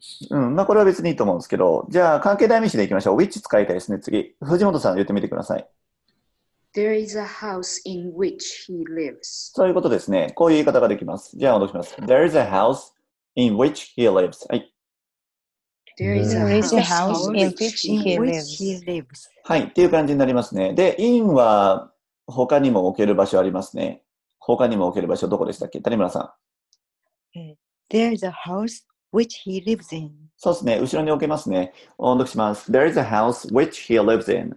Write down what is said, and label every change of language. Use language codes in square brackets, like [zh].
[ja] まあこれは別にいいと思うんですけど、じゃあ関係代名詞でいきましょう。which 使いたいですね。次、藤本さん言ってみてください。 [en] There is a house in which he lives. [ja] そういうことですね。こういう言い方ができます。じゃあ戻します。 [en] There is a house in which he lives. [ja] はい。 [en] There is a house in which he lives. [ja] はい。っていう感じになりますね。で、in は他にも置ける場所ありますね。他にも置ける場所どこでしたっけ、谷村さん。 [en] There is a house which he lives in. [ja] そうですね。後ろに置けますね。音読します。 [en] There is a house which he lives in.